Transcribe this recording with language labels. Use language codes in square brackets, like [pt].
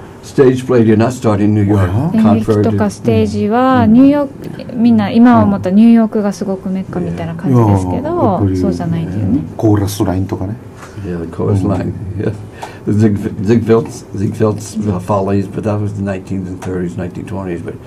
[en] Stage play did not start in New York. [ja] 演劇とかステージはニューヨーク、みんな今思ったニューヨークがすごくメッカみたいな感じですけど、そうじゃないんだよね。コーラスラインとかね。コーラスライン。 [en] Ziegfeld's Follies, but that was the 1930s, 1920s.